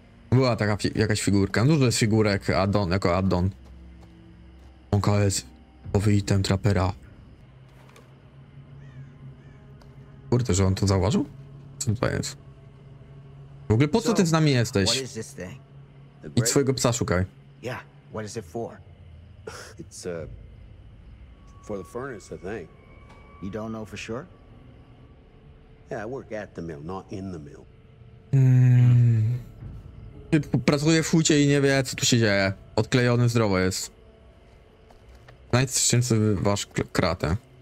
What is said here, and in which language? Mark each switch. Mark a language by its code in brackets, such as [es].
[pl] Była taka jakaś figurka, dużo jest figurek addon, jako addon. Onka jest nowy item trapera. Kurde, że on to zauważył? Co to jest? W ogóle po co ty z nami jesteś? I twojego psa szukaj. [en] Yeah, what is it for? It's for the furnace, I think. You don't know for sure? Yeah, I work at the mill, not in the mill. [pl] Pracuje w hucie i nie wie, co tu się dzieje. Odklejony zdrowo jest. Najczęściej wasz kratę.